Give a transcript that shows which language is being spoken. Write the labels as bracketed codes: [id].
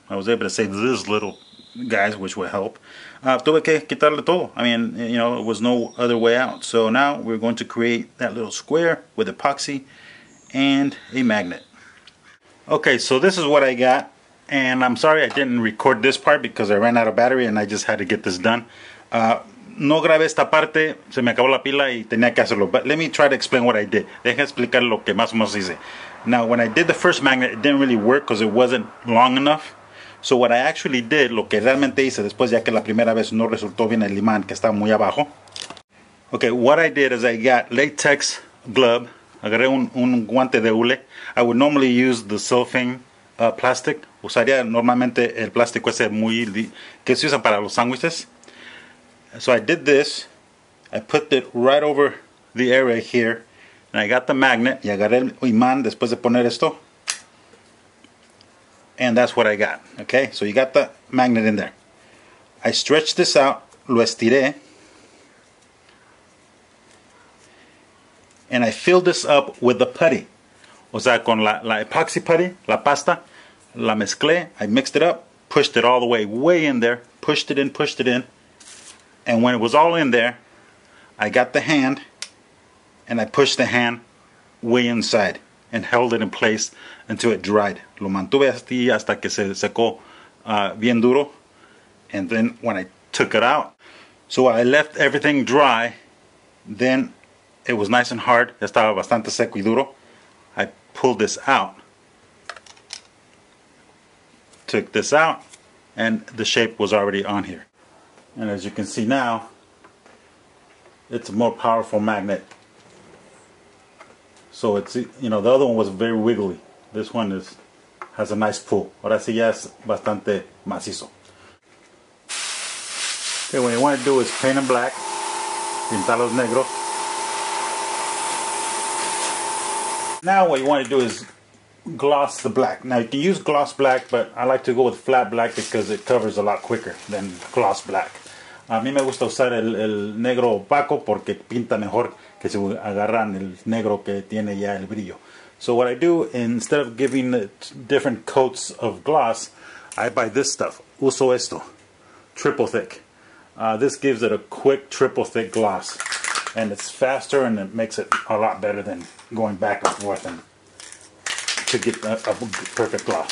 [en] I was able to save this little guy, which will help. [es] Tuve que quitarle todo. [en] I mean, it was no other way out. So now we're going to create that little square with epoxy and a magnet. Okay, so this is what I got. And I'm sorry I didn't record this part because I ran out of battery and I just had to get this done. [es] No grabé esta parte, se me acabó la pila y tenía que hacerlo. [en] But let me try to explain what I did. [es] Deja explicar lo que más o menos hice. [en] Now, when I did the first magnet, it didn't really work because it wasn't long enough. So what I actually did, [es] lo que realmente hice después, ya que la primera vez no resultó bien el imán, que está muy abajo. [en] Okay, what I did is I got latex glove. [es] Agarré un guante de hule. [en] I would normally use the cellophane plastic. [es] Usaría normalmente el plástico ese muy que se usa para los sándwiches. [en] So I did this. I put it right over the area here. And I got the magnet, [es] y agarré el imán después de poner esto. [en] And that's what I got, okay? So you got the magnet in there. I stretched this out, [es] lo estiré. [en] And I filled this up with the putty. [es] O sea, con la epoxy putty, la pasta, la mezclé, [en] I mixed it up, pushed it all the way in there, pushed it in. And when it was all in there, I got the hand, and I pushed the hand way inside and held it in place until it dried. [es] Lo mantuve hasta que se secó bien duro. [en] And then when I took it out, so I left everything dry. Then it was nice and hard. [es] Estaba bastante seco y duro. [en] I pulled this out took this out and the shape was already on here. And as you can see now, it's a more powerful magnet. So it's, you know, the other one was very wiggly. This one is has a nice pull. [es] Ahora sí ya es bastante macizo. [en] Okay, what you want to do is paint them black. [es] Pintarlos negro. [en] Now what you want to do is gloss the black. Now you can use gloss black, but I like to go with flat black because it covers a lot quicker than gloss black. [es] A mí me gusta usar el negro opaco porque pinta mejor que si agarran el negro que tiene ya el brillo. [en] So what I do, instead of giving it different coats of gloss, I buy this stuff. [es] Uso esto. [en] Triple thick. This gives it a quick triple thick gloss. And it's faster and it makes it a lot better than going back and forth and to get a perfect gloss.